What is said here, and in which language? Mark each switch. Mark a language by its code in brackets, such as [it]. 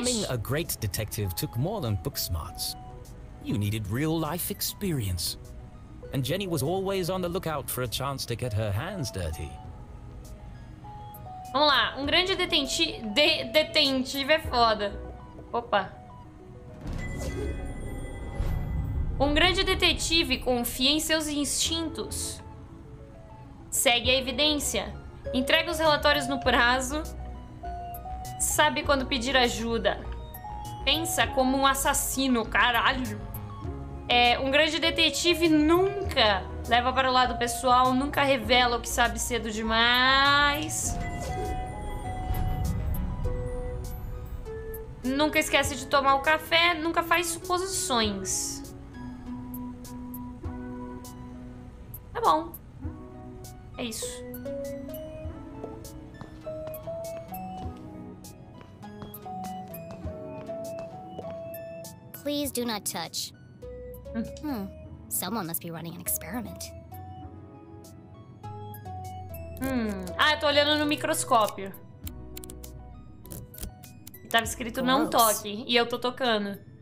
[en] Becoming a great detective took more than book smarts. You needed real life experience. And Jenny was always on the lookout for a chance to get her hands dirty. [pt] Vamos lá, um grande detetive é foda. Opa. Um grande detetive confia em seus instintos. Segue a evidência. Entrega os relatórios no prazo. Sabe quando pedir ajuda. Pensa como um assassino, caralho. É, um grande detetive nunca leva para o lado pessoal, nunca revela o que sabe cedo demais. Nunca esquece de tomar o café, nunca faz suposições. Tá bom. É isso. [en] Please do not touch. Someone must be running an experiment. [pt] Ah, eu tô olhando no microscópio. Tava escrito gross. Não toque e eu tô tocando.